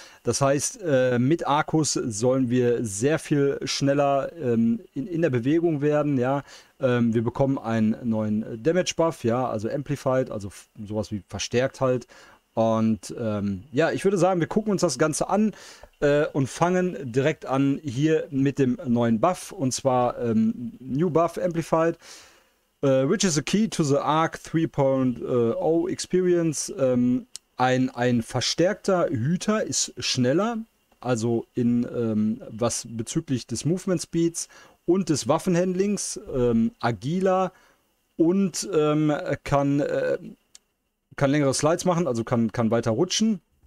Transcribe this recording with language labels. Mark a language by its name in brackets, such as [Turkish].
[German] Das heißt, mit Arcus sollen wir sehr viel schneller in der Bewegung werden, ja. Wir bekommen einen neuen Damage Buff, ja, also Amplified, also sowas wie verstärkt halt. Und ja, ich würde sagen, wir gucken uns das Ganze an und fangen direkt an hier mit dem neuen Buff. Und zwar [English] New Buff Amplified, which is a key to the Arc 3.0 Experience. [German] Ein verstärkter Hüter ist schneller, also in was bezüglich des Movement Speeds und des Waffenhandlings, agiler und kann... Kann längere Slides machen, also kann weiter rutschen.